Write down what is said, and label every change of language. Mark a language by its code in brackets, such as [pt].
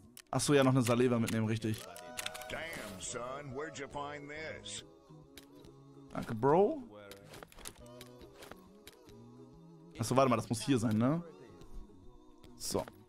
[de] Achso, ja, noch eine Saliva mitnehmen, richtig. [en] Damn, son, where'd you find this? [de] Danke, Bro. Achso, warte mal, das muss hier sein, ne? So.